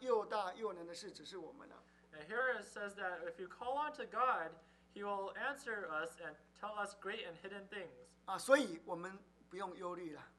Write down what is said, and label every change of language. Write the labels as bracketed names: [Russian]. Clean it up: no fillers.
[Chinese] 33章第3节。33章第3节。你求告我，我就应允你，并将你所不知道又大又难的事指示你。啊，神啊，让我们求告他，他会将又大又难的事指示我们了。And [English] here it says that if you call on to God, He will answer us and tell us great and hidden things. [Chinese] 啊，所以我们不用忧虑了。